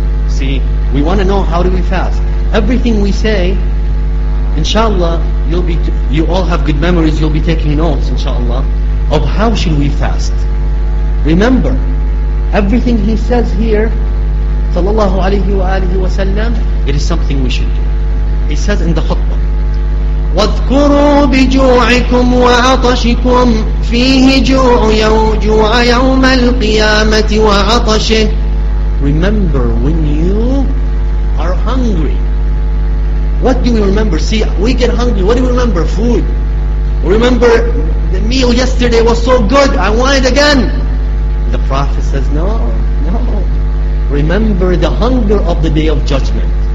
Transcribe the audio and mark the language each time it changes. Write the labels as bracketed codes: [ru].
[en] See, we want to know how do we fast. Everything we say, inshallah, you all have good memories, you'll be taking notes, inshallah, of how should we fast. Remember, everything he says here, sallallahu alayhi wa alihi wa sallam, it is something we should do. He says in the khutbah, [ar] واذكروا بجوعكم وعطشكم فيه جوع يوم القيامة وعطشه. [en] Remember when you are hungry. What do we remember? See, we get hungry. What do we remember? Food. Remember the meal yesterday was so good. I want it again. The Prophet says, no, no. Remember the hunger of the Day of Judgment.